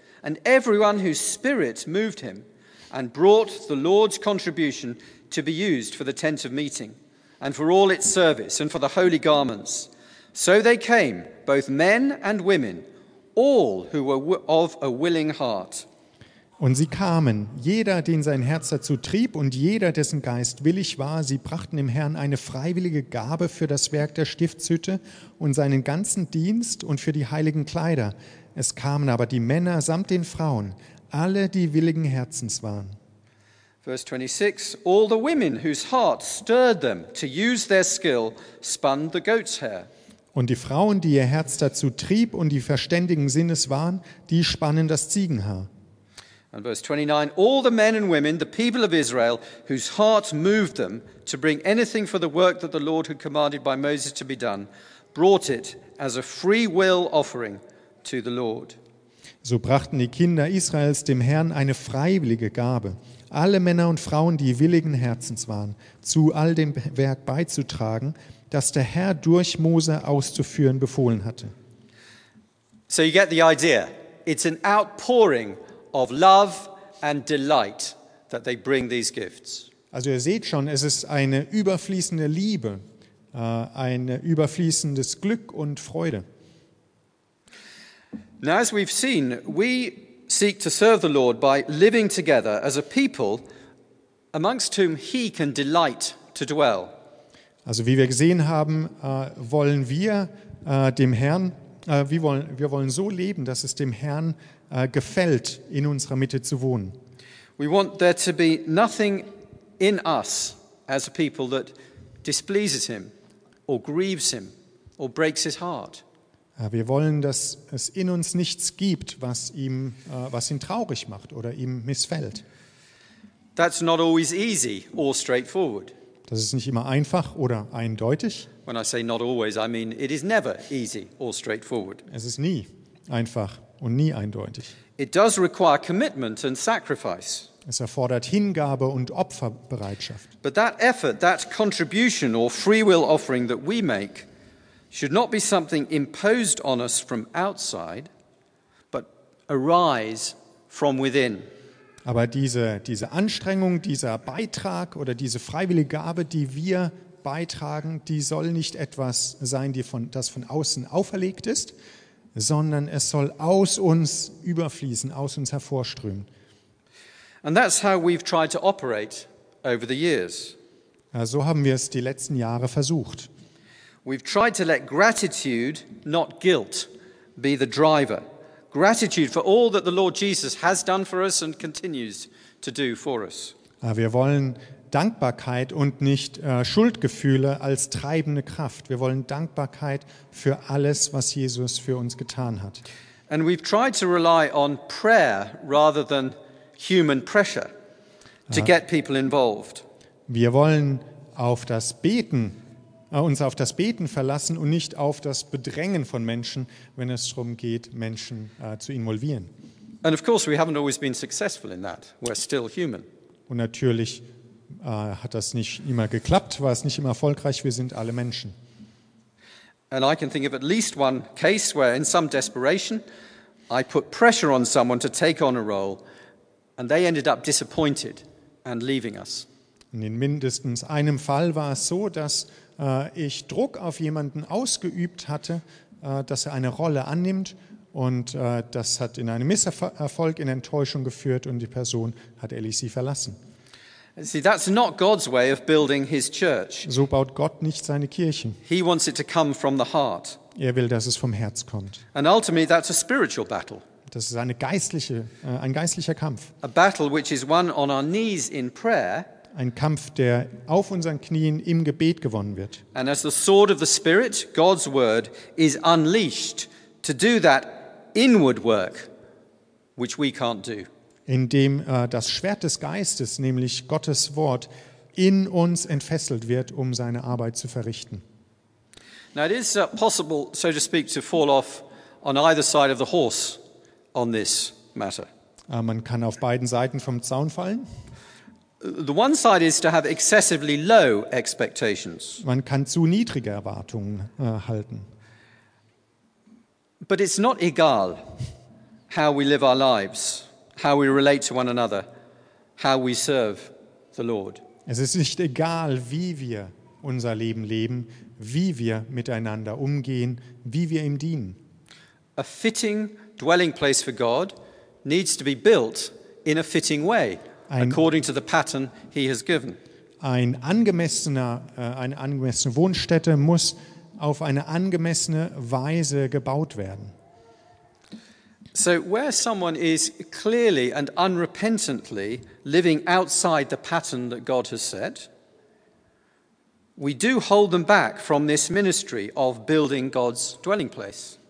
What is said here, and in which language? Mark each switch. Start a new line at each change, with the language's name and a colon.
English: And everyone whose spirit moved him and brought the Lord's contribution to be used for the tent of meeting and for all its service and for the holy garments. So they came, both men and women, all who were of a willing heart.
German: Und sie kamen, jeder, den sein Herz dazu trieb und jeder, dessen Geist willig war, sie brachten dem Herrn eine freiwillige Gabe für das Werk der Stiftshütte und seinen ganzen Dienst und für die heiligen Kleider. Es kamen aber die Männer samt den Frauen, alle, die willigen Herzens waren.
English: Verse 26, all the women whose hearts stirred them to use their skill spun the goat's hair.
German: Und die Frauen, die ihr Herz dazu trieb und die verständigen Sinnes waren, die spannen das Ziegenhaar.
English: And verse 29, all the men and women, the people of Israel, whose hearts moved them to bring anything for the work that the Lord had commanded by Moses to be done, brought it as a free will offering to the Lord.
German: So brachten die Kinder Israels dem Herrn eine freiwillige Gabe, alle Männer und Frauen, die willigen Herzens waren, zu all dem Werk beizutragen, das der Herr durch Mose auszuführen befohlen hatte.
English: So you get the idea. It's an outpouring of love and delight that they bring these gifts.
German: Also ihr seht schon, es ist eine überfließende Liebe, ein überfließendes Glück und Freude.
English: Now as we've seen, we seek to serve the Lord by living together as a people amongst whom he can delight to dwell.
German: Also wie wir gesehen haben, wollen wir dem Herrn, wir wollen so leben, dass es dem Herrn gefällt, in unserer Mitte zu wohnen.
English: We want there to be nothing in us as a people that displeases him or grieves him or breaks his heart.
German: Wir wollen, dass es in uns nichts gibt, was ihn traurig macht oder ihm missfällt.
English: That's not always easy or straightforward.
German: Das ist nicht immer einfach oder eindeutig.
English: When I say not always, I mean it is never easy or straightforward.
German: Es ist nie einfach und nie eindeutig.
English: It does require commitment and sacrifice.
German: Es erfordert Hingabe und Opferbereitschaft.
English: But that effort, that contribution or free will offering that we make should not be something imposed on us from outside, but arise from within.
German: Aber diese Anstrengung, dieser Beitrag oder diese freiwillige Gabe, die wir beitragen, die soll nicht etwas sein, das von außen auferlegt ist, sondern es soll aus uns überfließen, aus uns hervorströmen.
English: And that's how we've tried to operate over the years.
German: So haben wir es die letzten Jahre versucht.
English: We've tried to let gratitude, not guilt, be the driver. Gratitude for all that the Lord Jesus has done for us and continues to do for us.
German: Wir wollen Dankbarkeit und nicht Schuldgefühle als treibende Kraft. Wir wollen Dankbarkeit für alles, was Jesus für uns getan hat.
English: And we've tried to rely on prayer rather than human pressure to get people involved.
German: Wir wollen uns auf das Beten verlassen und nicht auf das Bedrängen von Menschen, wenn es darum geht, Menschen zu involvieren.
English: And of course we haven't always been successful in that. We're still human.
German: Und natürlich hat das nicht immer geklappt, war es nicht immer erfolgreich, wir sind alle Menschen.
English: And I can think of at least one case where in some desperation I put pressure on someone to take on a role and they ended up disappointed and leaving us.
German: Und in mindestens einem Fall war es so, dass ich Druck auf jemanden ausgeübt hatte, dass er eine Rolle annimmt und das hat in einem Misserfolg, in Enttäuschung geführt und die Person hat LEC verlassen.
English: See, that's not God's way of building his church.
German: So baut Gott nicht seine Kirchen.
English: He wants it to come from the heart.
German: Er will, dass es vom Herz kommt.
English: And ultimately that's a spiritual battle.
German: Das ist ein geistlicher Kampf.
English: A battle which is won on our knees in prayer.
German: Ein Kampf, der auf unseren Knien im Gebet gewonnen wird.
English: And as the sword of the Spirit, God's word, is unleashed to do that inward work, which we can't do.
German: Indem das Schwert des Geistes, nämlich Gottes Wort, in uns entfesselt wird, um seine Arbeit zu verrichten.
English: Now it is possible, so to speak, to fall off on either side of the horse on this matter.
German: Man kann auf beiden Seiten vom Zaun fallen.
English: The one side is to have excessively low expectations.
German: Man kann zu niedrige Erwartungen halten.
English: But it's not egal how we live our lives, how we relate to one another, how we serve the Lord.
German: Es ist nicht egal, wie wir unser Leben leben, wie wir miteinander umgehen, wie wir ihm dienen.
English: A fitting dwelling place for God needs to be built in a fitting way, according to the pattern he has given.
German: Eine angemessene Wohnstätte muss auf eine angemessene Weise gebaut werden.
English: So where someone is clearly and unrepentantly living outside the pattern that God has set, we do hold them back from this ministry of building God's dwelling place.